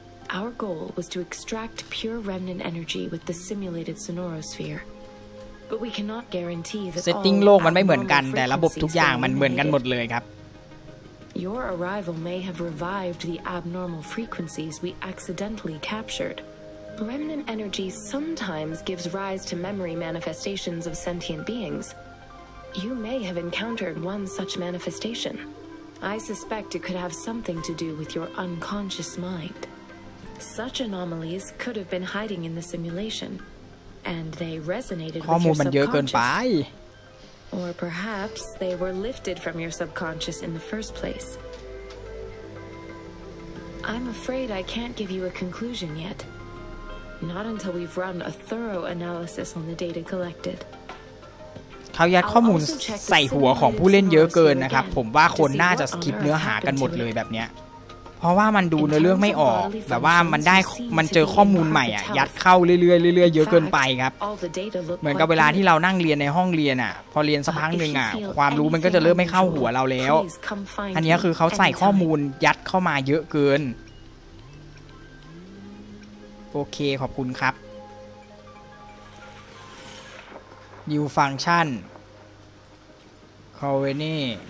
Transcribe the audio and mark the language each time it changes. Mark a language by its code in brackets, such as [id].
[en] Our goal was to extract pure remnant energy with the simulated sonorosphere. But we cannot guarantee that all. [th] Setting โลกมันไม่เหมือนกันแต่ระบบทุกอย่างมันเหมือนกันหมดเลยครับ [en] Your arrival may have revived the abnormal frequencies we accidentally captured. Remnant energy sometimes gives rise to memory manifestations of sentient beings. You may have encountered one such manifestation. I suspect it could have something to do with your unconscious mind. Such anomalies could have been hiding in the simulation, and they resonated with your subconscious. [th] ข้อมูลมันเยอะเกินไป [en] Or perhaps they were lifted from your subconscious in the first place. I'm afraid I can't give you a conclusion yet. Not until we've run a thorough analysis on the data collected. [th] เขายัดข้อมูลใส่หัวของผู้เล่นเยอะเกินนะครับผมว่าคนน่าจะสกิปเนื้อหากันหมดเลยแบบเนี้ยเพราะว่ามันดูเนื้อเรื่องไม่ออกแบบว่ามันเจอข้อมูลใหม่อ่ะยัดเข้าเรื่อยๆเรื่อยๆเยอะเกินไปครับ เหมือนกับเวลาที่เรานั่งเรียนในห้องเรียนอ่ะพอเรียนสักพักนึงอ่ะความรู้มันก็จะเริ่มไม่เข้าหัวเราแล้วอันนี้คือเขาใส่ข้อมูลยัดเข้ามาเยอะเกินโอเคขอบคุณครับนิวฟังก์ชันคอเวนี่